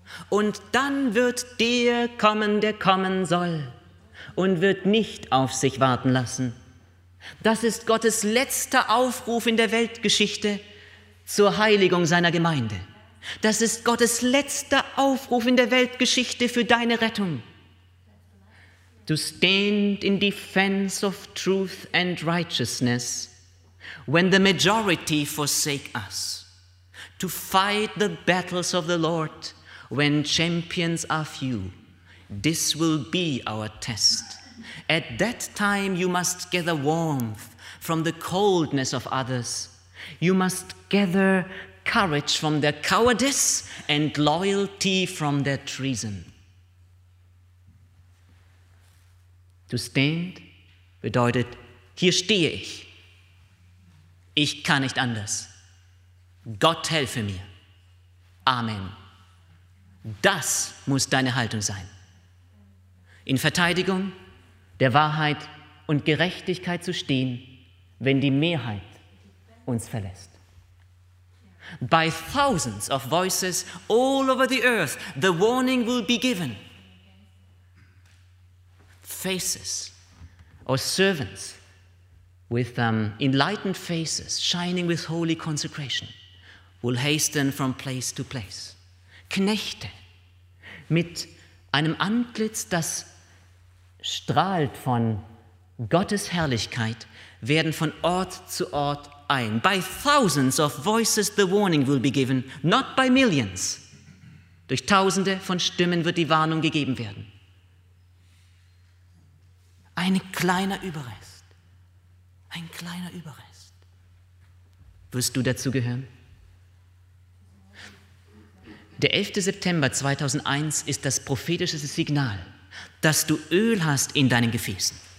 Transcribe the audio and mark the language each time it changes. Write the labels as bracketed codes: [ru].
[de] Und dann wird der kommen soll und wird nicht auf sich warten lassen. Das ist Gottes letzter Aufruf in der Weltgeschichte zur Heiligung seiner Gemeinde. Das ist Gottes letzter Aufruf in der Weltgeschichte für deine Rettung. [en] To stand in defense of truth and righteousness when the majority forsake us. To fight the battles of the Lord when champions are few. This will be our test. At that time you must gather warmth from the coldness of others. You must gather courage from their cowardice and loyalty from their treason. To stand [de] bedeutet, hier stehe ich. Ich kann nicht anders. Gott helfe mir. Amen. Das muss deine Haltung sein. In Verteidigung der Wahrheit und Gerechtigkeit zu stehen, wenn die Mehrheit uns verlässt. [en] By thousands of voices all over the earth, the warning will be given. Faces or servants with enlightened faces shining with holy consecration will hasten from place to place. [de] Knechte mit einem Antlitz, das strahlt von Gottes Herrlichkeit, werden von Ort zu Ort eilen. [en] By thousands of voices the warning will be given, not by millions. [de] Durch tausende von Stimmen wird die Warnung gegeben werden. Ein kleiner Überrest, ein kleiner Überrest. Wirst du dazu gehören? Der 11. September 2001 ist das prophetische Signal, dass du Öl hast in deinen Gefäßen.